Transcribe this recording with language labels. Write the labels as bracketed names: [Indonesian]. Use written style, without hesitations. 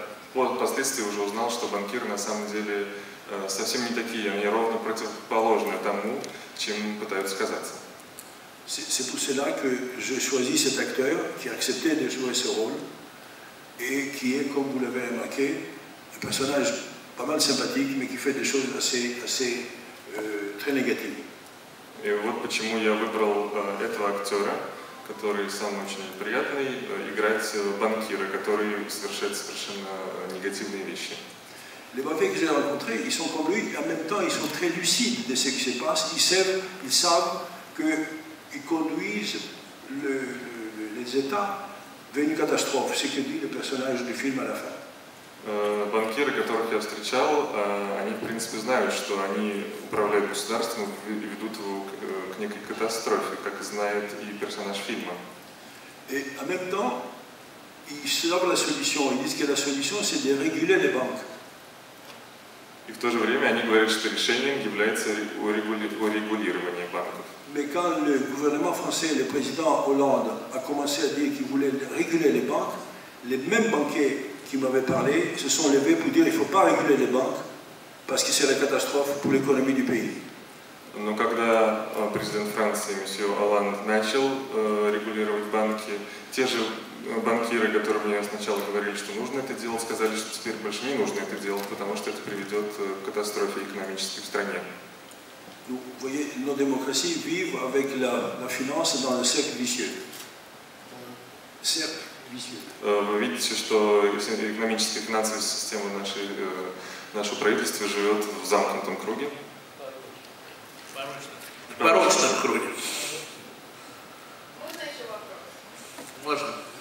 [Russian] Впоследствии уже узнал, что банкиры на самом деле совсем не такие, они ровно противоположны тому, чем пытаются казаться. [French] C'est pour cela que j'ai choisi cet acteur qui a accepté de jouer ce rôle et qui est, comme vous l'avez remarqué, un personnage pas mal sympathique, mais qui fait des choses assez très négatives. [Russian] И вот почему я выбрал этого актера, который сам очень приятный, играть банкира, который совершает совершенно негативные вещи. [French] Les banquiers que j'ai rencontrés, ils sont comme lui, et en même temps, ils sont très lucides de ce qui se passe. Ils savent qu'ils conduisent les États vers une catastrophe, ce que dit le personnage du film à la fin. [Russian] Банкиры, которых я встречал, они, в принципе, знают, что они управляют государством и ведут его к некой катастрофе, как знает и персонаж фильма. [French] Et en même temps, ils savent la solution. Ils disent que la solution, c'est de réguler les banques. [Russian] И в то же время они говорят, что решением является урегулирование банков. [French] Mais quand le gouvernement français, le président Hollande, a commencé à dire qu'il voulait réguler les banques, les mêmes banquiers qui m'avaient parlé se sont levés pour dire qu'il ne faut pas réguler les banques parce que c'est la catastrophe pour l'économie du pays. [Russian] Но когда президент Франции, месье Оланд, начал регулировать банки, те же банкиры, которые мне сначала говорили, что нужно это делать, сказали, что теперь больше не нужно это делать, потому что это приведет к катастрофе экономической в стране. Ну, вы видите, наша демократия живет [French] avec la finance dans le cercle vicieux. [Russian] Вы видите, что экономическая финансовая система нашего правительства живет в замкнутом круге? В порочном круге. Можно еще вопрос? Можно.